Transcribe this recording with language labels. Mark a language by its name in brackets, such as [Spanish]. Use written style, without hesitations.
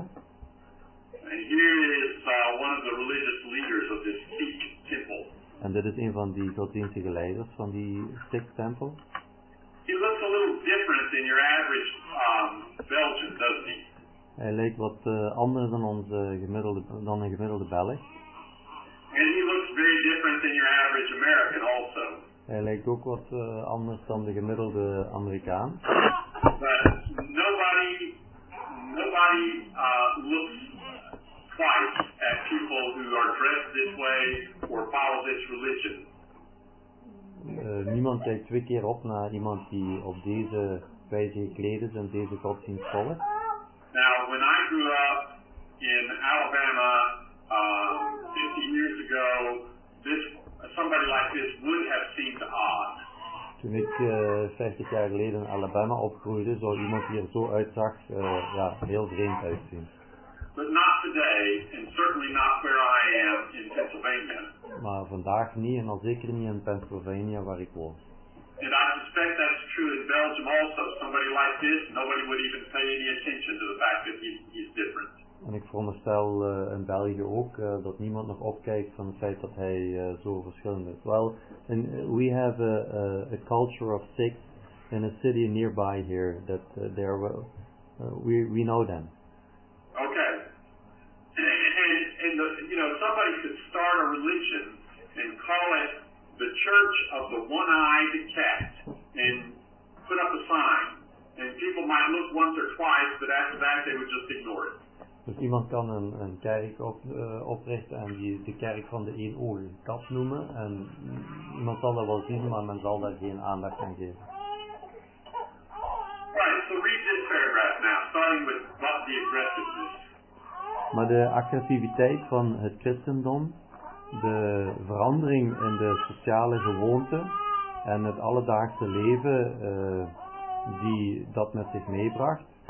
[English] And here is one of the religious leaders of this Sikh temple. [Dutch] En dit is een van die godsdienstige leiders van die Sikh temple. [English] He looks a little different than your average Belgian, doesn't he? [Dutch] Hij lijkt wat anders dan onze gemiddelde dan een gemiddelde Belg. [English] And he looks very different than your average American also. [Dutch] Hij lijkt ook wat anders dan de gemiddelde Amerikaan. [English] But nobody looks twice at people who are dressed this way or follow this religion. [Dutch] Niemand kijkt twee keer op naar iemand die op deze wijze gekleed is en deze godsdienst volgt. [English] Now, when I grew up in Alabama 15 years ago, somebody like this would have seemed odd. [Dutch] Toen ik 50 jaar geleden in Alabama opgroeide, zou iemand hier zo uitzag, ja, heel vreemd uitzien. [English] But not today, and certainly not where I am in Pennsylvania. [Dutch] Maar vandaag niet, en al zeker niet in Pennsylvania, waar ik woon. [English] And I suspect that's true in Belgium also. Somebody like this, nobody would even pay any attention to the fact that he's different. [Dutch] En ik veronderstel in België ook dat niemand nog opkijkt van het feit dat hij zo verschillend is. [English] Well, and we have a culture of Sikhs in a city nearby here that there we know them. Okay. And you know, somebody could start a religion and call it the Church of the One-Eyed Cat and put up a sign. And people might look once or twice, but after that they would just ignore it. [Dutch] Dus iemand kan een kerk oprichten en die de kerk van de eenoogige kat noemen. En iemand zal dat wel zien, maar men zal daar geen aandacht aan geven. [English] Right, so read this paragraph now, starting with but the aggressiveness. [Dutch] Maar de agressiviteit van het christendom, de verandering in de sociale gewoonten en het alledaagse leven die dat met zich meebracht.